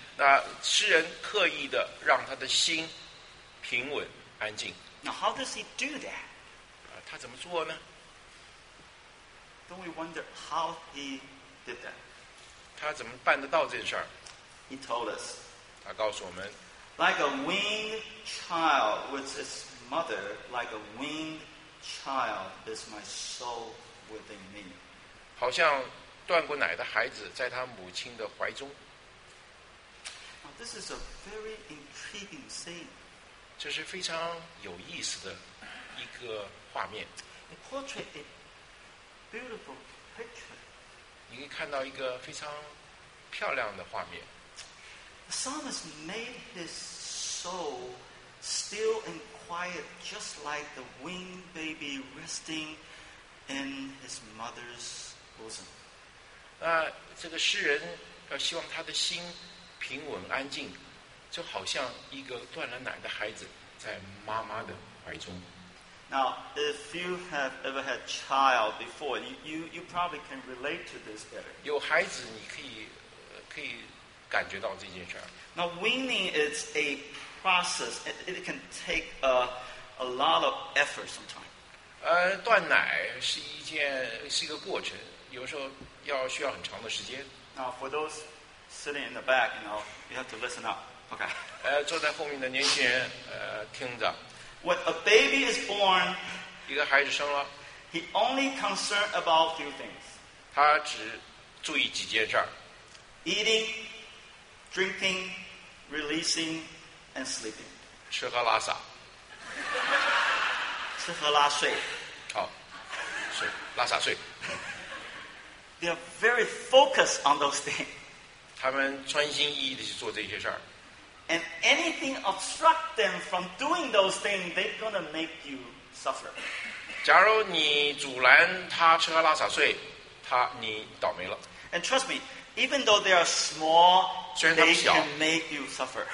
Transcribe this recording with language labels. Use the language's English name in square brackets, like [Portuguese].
[Chinese] 那诗人刻意的让他的心平稳安静。 [English] Now how does he do that? [Chinese] 他怎么做呢？ [English] Don't we wonder how he did that? [Chinese] 他怎么办得到这件事儿？ [English] He told us. [Chinese] 他告诉我们。 [English] Like a weaned child with its mother, like a weaned child is my soul within me. [Chinese] 好像断过奶的孩子在他母亲的怀中。 [English] Now, this is a very intriguing scene. [Chinese] 这是非常有意思的一个画面。 [English] It portrays a beautiful picture. [Chinese] 你可以看到一个非常漂亮的画面。 [English] The psalmist made his soul still and quiet, just like the weaned baby resting in his mother's bosom. [Chinese] 这个诗人希望他的心平稳安静，就好像一个断了奶的孩子在妈妈的怀中。 [English] Now, if you have ever had child before, you probably can relate to this better. [Chinese] 有孩子，你可以感觉到这件事儿。 [English] Now winning is a process. It can take a lot of effort sometimes. [Chinese] 断奶是一件是一个过程，有时候要需要很长的时间。 [English] Now for those sitting in the back, you know, you have to listen up. Okay. [Chinese] 坐在后面的年轻人，听着。 [English] When a baby is born, [Chinese] 一个孩子生了。 [English] He only concerned about few things. [Chinese] 他只注意几件事儿。 [English] Eating, drinking, releasing, and sleeping. [Chinese] 吃喝拉撒。吃喝拉睡。好，睡，拉撒睡。 [English] They are very focused on those things. [Chinese] 他们专心一意的去做这些事儿。 [English] And anything obstruct them from doing those things, they're gonna make you suffer. [Chinese] 假如你阻拦他吃喝拉撒睡，他你倒霉了。 [English] And trust me, even though they are small, [Chinese] 虽然他们小 [English] they can make you suffer.